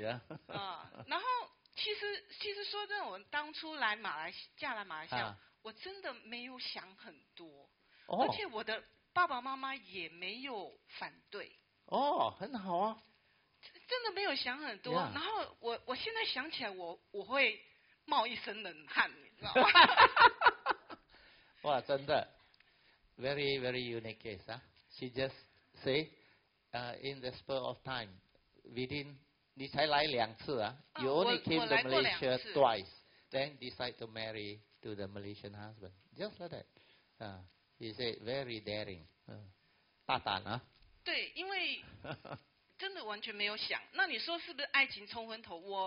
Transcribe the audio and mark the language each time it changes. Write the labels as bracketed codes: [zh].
[zh] 然后其实说真的，我当初来马来西亚，嫁来马来西亚，我真的没有想很多，而且我的爸爸妈妈也没有反对。哦，很好啊，真的没有想很多。然后我现在想起来，我会冒一身冷汗，你知道吗？哇，真的 [en] ，very very unique case 啊。 She just say, in the spur of time, within [zh] 你才来两次啊 [en] ，you only came to Malaysia twice, then decide to marry to the Malaysian husband, just like that. She said very daring, [zh] 大胆啊。对，因为。真的完全没有想，那你说是不是爱情冲昏头？